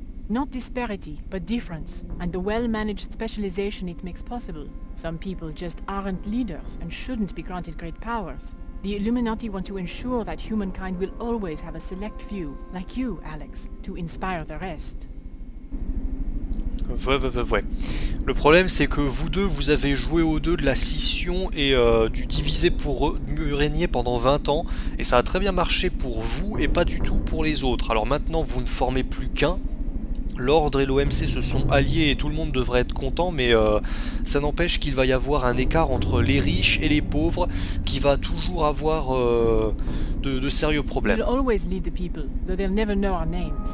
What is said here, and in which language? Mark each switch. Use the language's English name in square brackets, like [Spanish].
[English] Not disparity, but difference, and the well-managed specialization it makes possible. Some people just aren't leaders and shouldn't be granted great powers. The Illuminati want to ensure that humankind will always have a select few, like you, Alex, to inspire the rest. [French] Ouais. Le problème, c'est que vous deux, vous avez joué aux deux de la scission et du divisé pour régner pendant 20 ans, et ça a très bien marché pour vous et pas du tout pour les autres. Alors maintenant, vous ne formez plus qu'un. L'ordre et l'OMC se sont alliés et tout le monde devrait être content, mais ça n'empêche qu'il va y avoir un écart entre les riches et les pauvres qui va toujours avoir de sérieux problèmes. [English] Always lead the people, though they'll never know our names.